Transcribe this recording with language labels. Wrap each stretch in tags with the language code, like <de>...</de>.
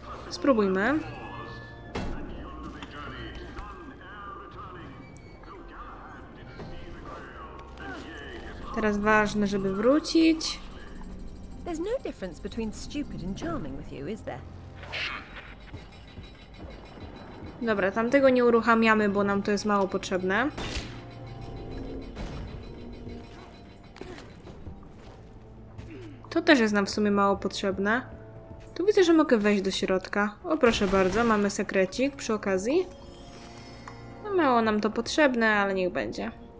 <pl>Spróbujmy. Teraz ważne, żeby wrócić.</pl> <en>There's no difference between stupid and charming with you, is there?</en> <pl>Dobra, tamtego nie uruchamiamy, bo nam to jest mało potrzebne. To też jest nam w sumie mało potrzebne. Tu widzę, że mogę wejść do środka. O, proszę bardzo, mamy sekrecik przy okazji. No, mało nam to potrzebne, ale niech będzie.</pl>